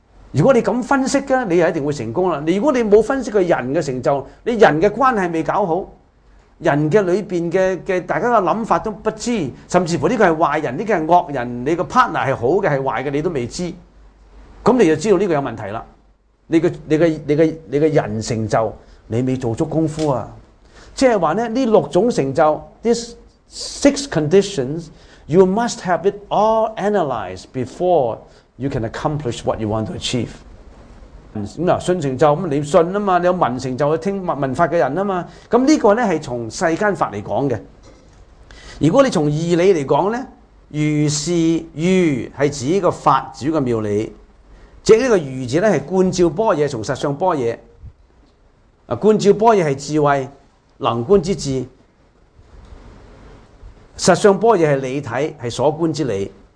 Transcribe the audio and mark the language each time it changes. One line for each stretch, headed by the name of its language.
Chinese: 如果你这样分析的，你就一定会成功了。如果你没有分析人的成就，你人的关系未搞好，人的里面 的大家的想法都不知，甚至乎这个是坏人，这个是恶人，你的 partner 是好的是坏的你都未知，那你就知道这个有问题了。
English: 你的人成就你未做足功夫啊，即是说呢，这六种成就 ,these six conditions, you must have it all analyzed before you can accomplish what you want to achieve.
Chinese: 信成就你信嘛，你有闻成就就听闻法的人嘛，那这个呢是从世间法来讲的。如果你从义理来讲呢，如是喻是指一个法，指一个妙理。这个喻字呢是观照波野，从实相波野。观照波野是智慧，能观之智；实相波野是理体，是所观之理。